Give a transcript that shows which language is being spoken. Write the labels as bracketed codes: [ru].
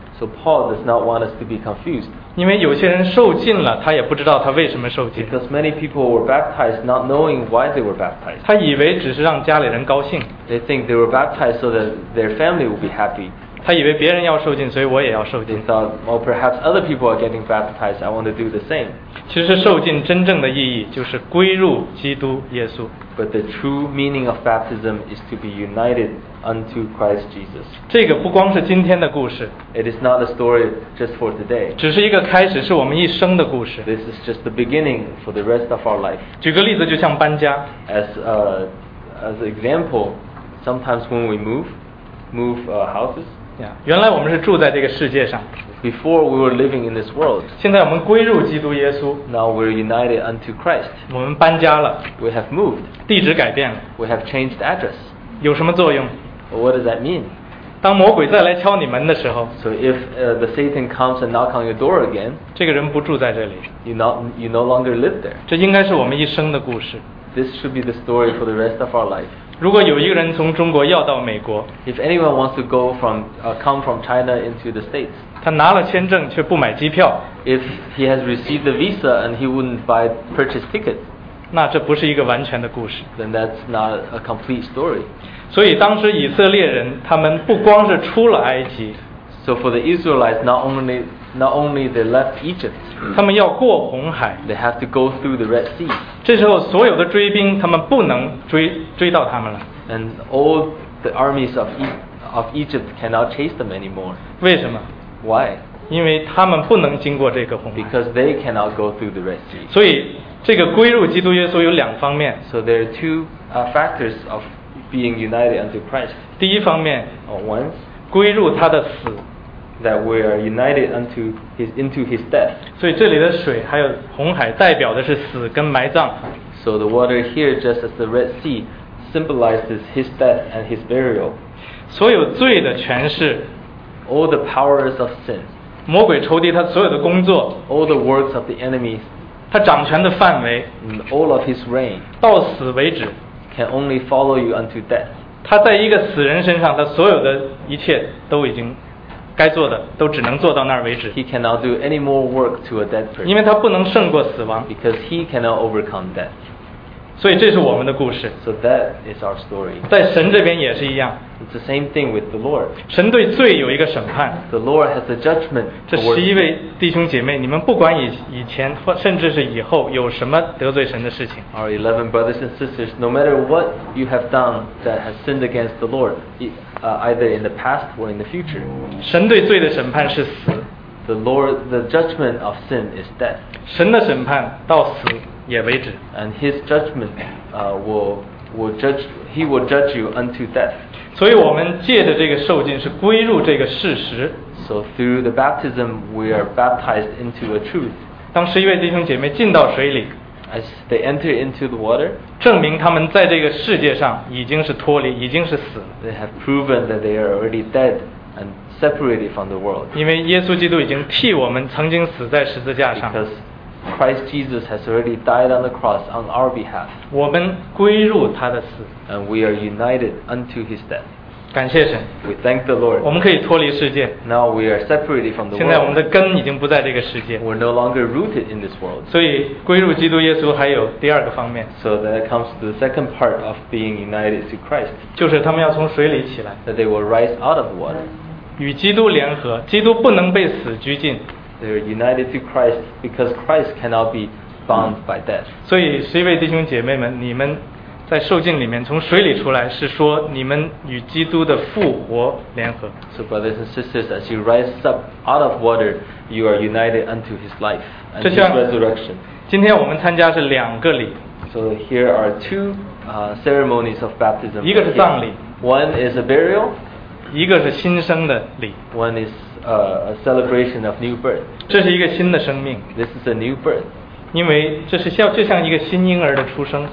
[en] So Paul does not want us to be confused. [zh] 因为有些人受浸了，他也不知道他为什么受浸。 [en] Because many people were baptized not knowing why they were baptized. [zh] 他以为只是让家里人高兴。 [en] They think they were baptized so that their family would be happy. [zh] 他以为别人要受浸，所以我也要受浸。 [en] They thought, well, perhaps other people are getting baptized. I want to do the same. [zh] 其实受浸真正的意义就是归入基督耶稣。 [en] But the true meaning of baptism is to be united unto Christ Jesus. [zh] 这个不光是今天的故事。 [en] It is not a story just for today. [zh] 只是一个开始，是我们一生的故事。 [en] This is just the beginning for the rest of our life. [zh] 举个例子，就像搬家。 [en] As an example, sometimes when we move houses. Yeah. [zh] 原来我们是住在这个世界上。 [en] Before we were living in this world. [zh] 现在我们归入基督耶稣。 [en] Now we're united unto Christ. [zh] 我们搬家了。 [en] We have moved. [zh] 地址改变了。 [en] We have changed address. [zh] 有什么作用？ [en] What does that mean? [zh] 当魔鬼再来敲你门的时候， [en] So if the Satan comes and knocks on your door again, [zh] 这个人不住在这里。 [en] You no longer live there. [zh] 这应该是我们一生的故事。 [en] This should be the story for the rest of our life. [zh] 如果有一个人从中国要到美国， [en] If anyone wants to come from China into the States, [zh] 他拿了签证却不买机票， [en] If he has received the visa and he wouldn't buy purchase tickets, [zh] 那这不是一个完全的故事。 [en] Then that's not a complete story. [zh] 所以当时以色列人他们不光是出了埃及， [en] So for the Israelites, not only they left Egypt, [zh] 他们要过红海， [en] They have to go through the Red Sea. [zh] 这时候所有的追兵他们不能追到他们了， [en] And all the armies of Egypt cannot chase them anymore. [zh] 为什么？ [en] Why? [zh] 因为他们不能经过这个红海， [en] Because they cannot go through the Red Sea. [zh] 所以这个归入基督耶稣有两方面， [en] So there are two factors ofBeing united unto Christ. [zh] 第一方面， [en] once, [zh] 归入他的死， [en] that we are united unto his death. [zh] 所以这里的水还有红海代表的是死跟埋葬。 [en] So the water here, just as the Red Sea, symbolizes his death and his burial. [zh] 所有罪的权势， [en] all the powers of sin, [zh] 魔鬼仇敌他所有的工作， [en] all the works of the enemy, [zh] 他掌权的范围， [en] and all of his reign, [zh] 到死为止。 [en] Can only follow you unto death. [zh] 他在一个死人身上，他所有的一切都已经该做的都只能做到那儿为止。 [en] He cannot do any more work to a dead person. [zh] 因为他不能胜过死亡。 [en] Because he cannot overcome death. [zh] 所以这是我们的故事。 [en] So that is our story. [zh] 在神这边也是一样。 [en] It's the same thing with the Lord. [zh] 神对罪有一个审判。 [en] The Lord has a judgment. [zh] 这十一位弟兄姐妹，你们不管以前或甚至是以后有什么得罪神的事情。 [en] Our 11 brothers and sisters, no matter what you have done that has sinned against the Lord, either in the past or in the future. [zh] 神对罪的审判是死。 [en] The judgment of sin is death. [zh] 神的审判到死也为止。 [en] And his judgment, he will judge you unto death. [zh] 所以我们借着这个受浸是归入这个事实。 [en] So through the baptism, we are baptized into a truth. [zh] 当十一位弟兄姐妹进到水里， [en] as they enter into the water, [zh] 证明他们在这个世界上已经是脱离，已经是死了。 [en] They have proven that they are already dead and separated from the world. [zh] 因为耶稣基督已经替我们曾经死在十字架上。 [en] Because Christ Jesus has already died on the cross on our behalf. [zh] 我们归入他的死。 [en] And we are united unto his death. [zh] 感谢神。 [en] We thank the Lord. [zh] 我们可以脱离世界。 [en] Now we are separated from the world. [zh] 现在我们的根已经不在这个世界。 [en] We're no longer rooted in this world. [zh] 所以归入基督耶稣还有第二个方面。 [en] So that comes to the second part of being united to Christ. [zh] 就是他们要从水里起来。 [en] That they will rise out of water. [zh] 与基督联合，基督不能被死拘禁。 [en] They're united to Christ because Christ cannot be bound by death. [zh] 所以十一位弟兄姐妹们，你们在受浸里面从水里出来，是说你们与基督的复活联合。 [en] So brothers and sisters, as you rise up out of water, you are united unto His life and His resurrection. [zh] 今天我们参加是两个礼。 [en] So here are two ceremonies of baptism. [zh] 一个是葬礼。 [en] One is a burial. [zh] 一个是新生的礼。 [en] One is a celebration of new birth. [zh] 这是一个新的生命。 [en] This is a new birth. [zh] 因为这是像就像一个新婴儿的出生